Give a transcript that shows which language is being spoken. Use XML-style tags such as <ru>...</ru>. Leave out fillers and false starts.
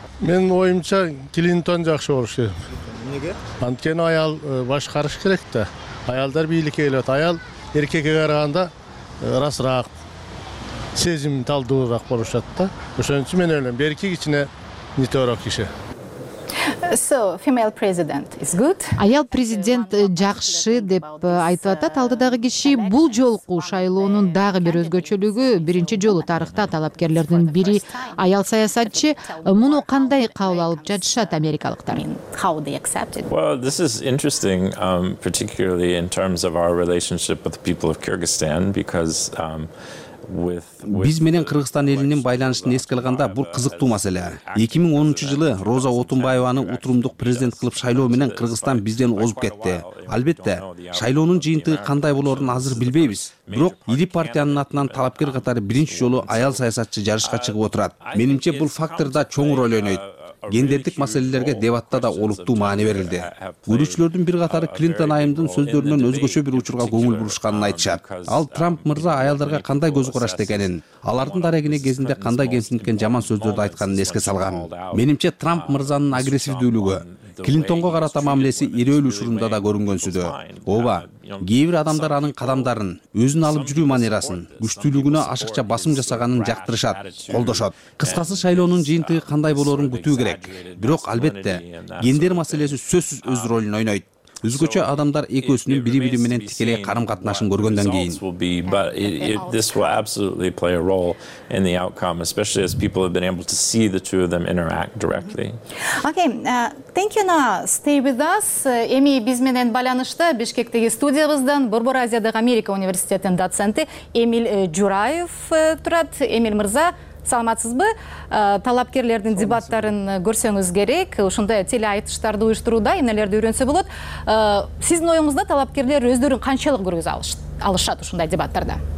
<ky>Менин оюмча Клинтон жакшы болуш керек. Эмнеге? Анткени аял башкарыш керек да. Аялдар бийликке келет. Аял эркекке караганда расыраак, сезимталдуураак болушат да. Ошон үчүн мен ойлойм, берки кичине нетеорок киши.</ky> <en>So, female president is good.</en> <ky>Аял президент жакшы деп айтып атат. Алдыдагы киши бул жолку шайлоонун дагы бир өзгөчөлүгү, биринчи жолу тарыхта талапкерлердин бири аял саясатчы. Муну кандай кабыл алып жатышат америкалыктар?</ky> <en>How they accept it? Well, this is interesting, particularly in terms of our relationship with the people of Kyrgyzstan, because</en> <ky>биз менен Кыргызстан элинин байланышын эске алганда бул кызыктуу маселе. 2010-жылы Роза Отунбаеваны утурумдук президент кылып шайлоо менен Кыргызстан бизден озуп кетти. Албетте, шайлоонун жыйынтыгы кандай болорун азыр билбейбиз. Бирок ири партиянын атынан талапкер катары биринчи жолу аял саясатчы жарышка чыгып отурат. Менимче бул фактор да чоң рол ойнойт. Гендердик маселелерге дебатта да олуттуу маани берилди. Көрүүчүлөрдүн бир катары Клинтон айымдын сөздөрүнөн өзгөчө бир учурга көңүл бурушканын айтышат. Ал Трамп мырза аялдарга кандай көз карашта экенин, алардын дарегине кезинде кандай кемсинткен жаман сөздөрдү айтканын эске салган. Менимче Трамп мырзанын агрессивдүүлүгү Клинтонго карата мамилеси ирөөл учурунда да көрүнгөнсүдө. Ооба, кээ бир адамдар анын кадамдарын, өзүн алып жүрүү манерасын, күчтүүлүгүнө ашыкча басым жасаганын жактырышат, колдошот. Кыскасы, шайлоонун жыйынтыгы кандай болорун күтүү керек. Бирок албетте, гендер маселеси сөзсүз өз ролун ойнойт. Өзгөчө адамдар экөөсүнүн бири-бири менен тикелей карым катнашын көргөндөн кийин.</ky> <en>This will absolutely play a role in the outcome, especially as people have been able to see the two of them interact directly. Okay, thank you, Na. Stay with us.</en> <ky>Эми биз менен байланышта Бишкектеги студиябыздан Борбор Азиядагы Америка университетинин доценти Эмиль Жураев турат. Эмиль мырза, саламатсызбы? Талапкерлердин дебаттарын көрсөңүз керек. Ушундай теле айтыштарды уюштурууда эмнелерди үйрөнсө болот? Сиздин оюңузда талапкерлер өздөрүн канчалык көргөзө алышат ушундай дебаттарда?</ky>